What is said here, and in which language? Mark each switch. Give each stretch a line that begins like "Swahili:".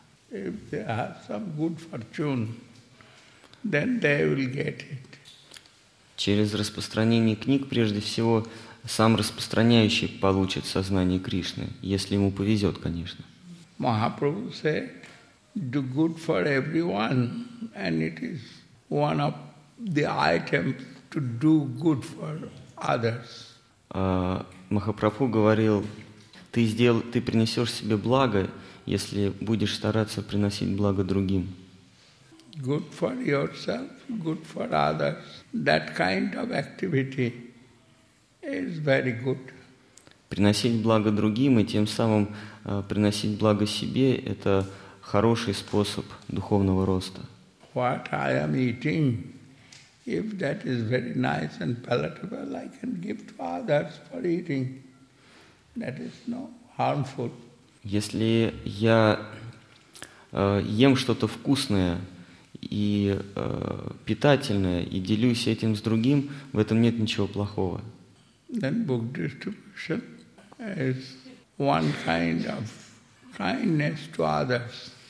English: If they have some good fortune, then they will get it.
Russian: Через распространение книг прежде всего сам распространяющий получит сознание Кришны, если ему повезет, конечно.
English: Махапрабху said, do good for everyone, and it is one of the items to do good for others.
Russian: Махапрабху говорил, ты принесешь себе благо, если будешь стараться приносить благо другим.
English: Good for yourself, good for others. That kind of activity. It's very good.
Russian: Приносить благо другим и тем самым приносить благо себе – это хороший способ духовного роста.
English: What I am eating, if that is very nice and palatable, I can give to others for eating. That is no harmful.
Russian: Если я ем что-то вкусное и питательное и делюсь этим с другим, в этом нет ничего плохого.
English: Then book distribution is one kind of kindness to others.